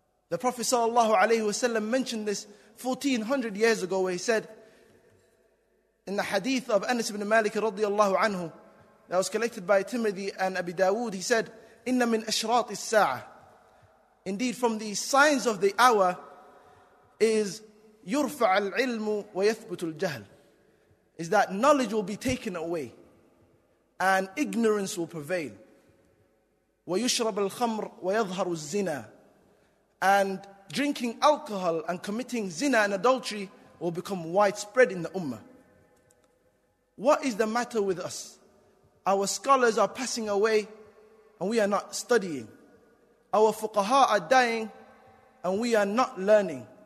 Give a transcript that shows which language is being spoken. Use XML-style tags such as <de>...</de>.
<en>The Prophet sallallahu alayhi wa sallam mentioned this 1400 years ago, where he said in the hadith of Anas ibn Malik radiyallahu anhu that was collected by Tirmidhi and Abi Dawood, he said,</en> <ar>"Inna min ashrati as-sa'ah."</ar> <en>Indeed, from the signs of the hour is</en> <ar>yurfa' al-ilmu wa yathbutu al-jahl.</ar> <en>Is that knowledge will be taken away and ignorance will prevail.</en> <ar>ويشرب الخمر ويظهر الزنا.</ar> <en>And drinking alcohol and committing zina and adultery will become widespread in the ummah. What is the matter with us? Our scholars are passing away and we are not studying. Our fuqaha are dying and we are not learning.</en>